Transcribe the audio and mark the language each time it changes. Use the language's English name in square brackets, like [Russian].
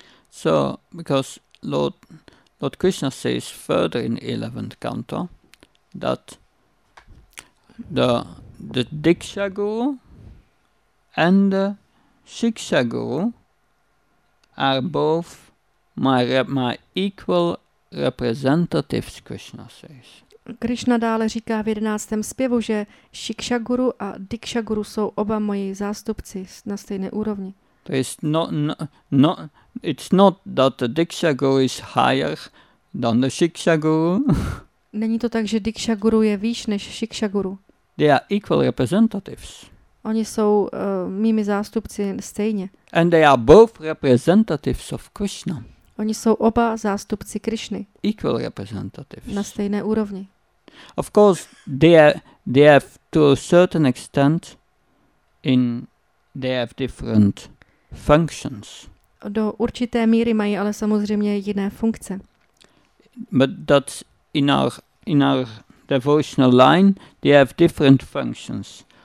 [English] So, because Lord Krishna says further in 11th canto that the Diksha guru and the Shiksha guru are both my equal representatives, Krishna says. [Czech] Krishna dále říká v 11. zpěvu, že Shiksha guru a Diksha guru jsou oba moji zástupci na stejné úrovni. To je [English] no, it's not that the Diksha guru is higher than the Shiksha guru. [Czech] Není to tak, že Diksha guru je výš než Shiksha guru. [English] They are equal representatives. [Czech] Oni jsou mými zástupci stejně. [English] And they are both representatives of Krishna. [Czech] Oni jsou oba zástupci Krishny. [English] Equal representatives. [Czech] Na stejné úrovni. [English] Of course, they have to a certain extent in they have different functions. [Czech] Do určité míry mají ale samozřejmě jiné funkce. [English] But that's in our devotional line, they have different functions.